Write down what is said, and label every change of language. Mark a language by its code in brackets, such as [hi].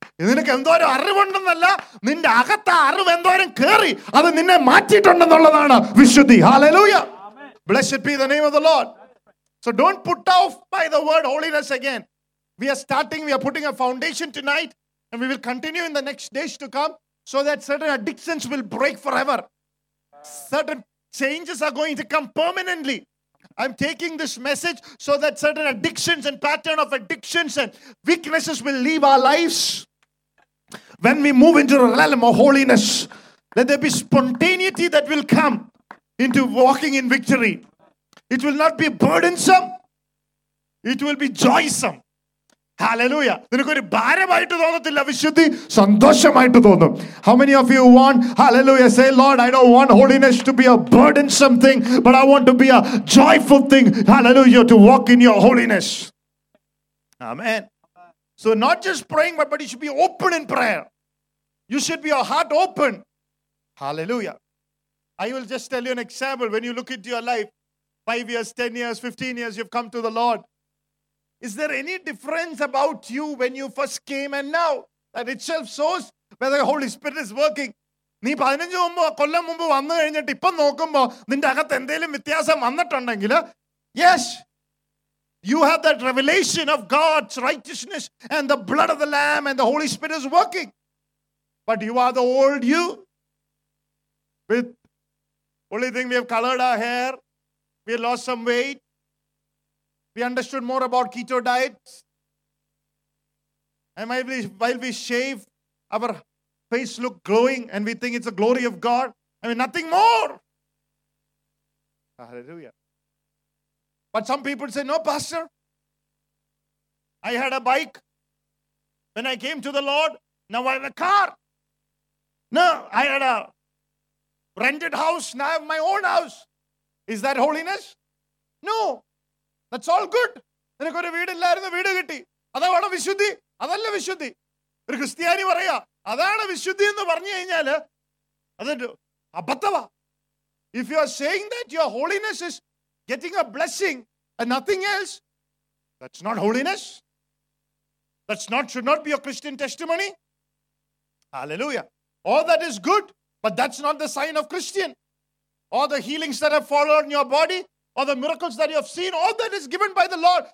[ml] ഇതിനൊക്കെ എന്തോ ഒരു അറിവുണ്ടെന്നല്ല, നിന്റെ അകത്ത് അറിവ് എന്തോരം കയറി അത് നിന്നെ മാറ്റിയിട്ടുണ്ടെന്നുള്ളതാണ് വിശുദ്ധി. [en] Hallelujah. Blessed be the name of the Lord. So don't put off by the word holiness again. We are starting, we are putting a foundation tonight, and we will continue in the next days to come so that certain addictions will break forever. Certain changes are going to come permanently. I'm taking this message so that certain addictions and pattern of addictions and weaknesses will leave our lives. When we move into the realm of holiness, let there be spontaneity that will come into walking in victory. It will not be burdensome. It will be joyful. Hallelujah. [ml] നിനക്കൊരു ഭാരമായിട്ട് തോന്നത്തില്ല, വിശുദ്ധി സന്തോഷമായിട്ട് തോന്നും. [en] How many of you want, hallelujah, say, Lord, I don't want holiness to be a burdensome thing, but I want to be a joyful thing, hallelujah, to walk in your holiness. Amen. So not just praying, but you should be open in prayer. You should be your heart open. Hallelujah. I will just tell you an example. When you look into your life, 5 years, 10 years, 15 years, you've come to the Lord. Is there any difference about you when you first came and now? That itself shows whether the Holy Spirit is working. [ml] നീ 15 കൊല്ലം മുമ്പ് വന്നു കഴിഞ്ഞിട്ട് ഇപ്പം നോക്കുമ്പോൾ നിന്റെ അകത്ത് എന്തെങ്കിലും വ്യത്യാസം വന്നിട്ടുണ്ടെങ്കിൽ, [en] yes, you have that revelation of God's righteousness and the blood of the Lamb and the Holy Spirit is working. But you are the old you. With only thing, we have colored our hair. We have lost some weight. We understood more about keto diets. And while we shave, our face look glowing and we think it's the glory of God. I mean, nothing more. Hallelujah. But some people say, no, Pastor. I had a bike when I came to the Lord. Now I have a car. No, I had a rented house. Now I have my own house. Is that holiness? No. That's all good. [ml] നിനക്ക് ഒരു വീടില്ലായിരുന്നു, വീട് കിട്ടി. അതാണ് വിശുദ്ധി? അതല്ല വിശുദ്ധി. ഒരു ക്രിസ്ത്യാനി പറയാ, അതാണ് വിശുദ്ധി എന്ന് പറഞ്ഞു കഴിഞ്ഞാല് അത് അബദ്ധവാ. [en] If you are saying that your holiness is getting a blessing and nothing else, that's not holiness. That's not, should not be a Christian testimony. Hallelujah. All that is good, but that's not the sign of Christian. All the healings that have fallen on your body, or the miracles that you have seen, all that is given by the Lord.